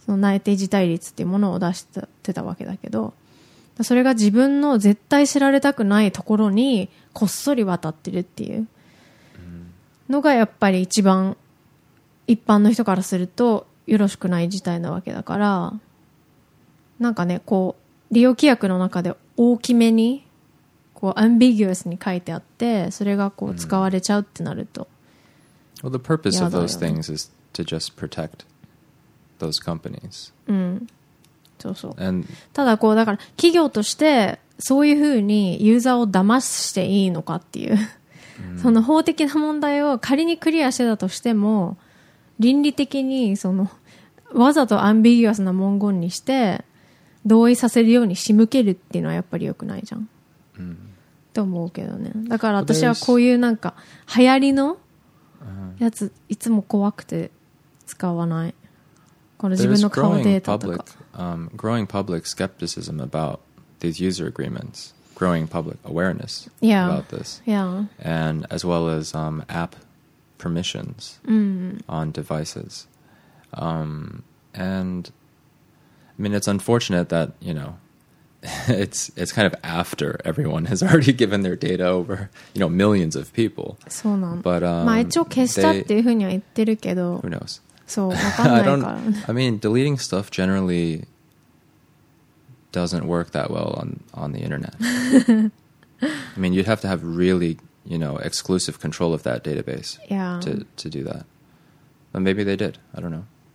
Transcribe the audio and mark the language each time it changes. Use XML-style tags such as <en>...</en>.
<ja>その内定辞退率っていうものを出してたわけだけど、それが自分の絶対知られたくないところにこっそり渡ってるっていうのがやっぱり一番一般の人からするとよろしくない事態なわけだから、なんかねこう利用規約の中で大きめにこうアンビギュアスに書いてあって、それがこう使われちゃうってなると、</ja> <en>うん、Well, the purpose of those things is to just protect those companies.</en> <ja>うん、そうそう。</ja> <en>And、</en> <ja>ただこうだから企業としてそういうふうにユーザーを騙していいのかっていう、うん、その法的な問題を仮にクリアしてたとしても、倫理的にそのわざとアンビギュアスな文言にして同意させるように仕向けるっていうのはやっぱり良くないじゃん。と思うけどね。だから私はこういうなんか流行りのやついつも怖くて使わない。この自分の顔データとか。</ja> <en>Public, growing public skepticism about these user agreements. Growing public awareness about this. Yeah. And as well as app permissions on devices. And I mean, it's unfortunate that, you know, it's kind of after everyone has already given their data over, you know, millions of people.</en> <ja>そうなん。</ja> <en>But,</en> <ja>まあ一応消したっていうふうには言ってるけど。</ja> <en>Who knows?</en> <ja>そう、わかんないから。</ja> <en>I mean, deleting stuff generally doesn't work that well on the internet. I mean, you'd have to have really, you know, exclusive control of that database to do that. But maybe they did. I don't know.</en>